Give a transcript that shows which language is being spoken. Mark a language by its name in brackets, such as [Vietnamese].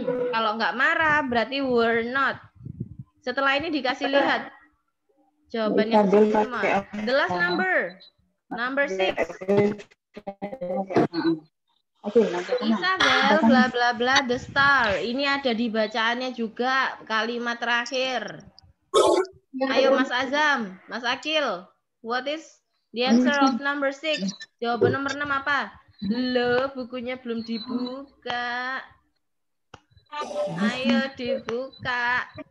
[Indonesian] Kalau enggak marah berarti [English] were not. [Indonesian] Setelah ini dikasih lihat jawabannya semua. [English] The last number. Number 6. Okay, Isabel bla bla bla the star. [Indonesian] Ini ada di bacaannya juga kalimat terakhir. Ayo Mas Azam, Mas Akil. [English] What is the answer of number 6? [Indonesian] Jawaban nomor 6 apa? Loh, bukunya belum dibuka. Ayo dibuka.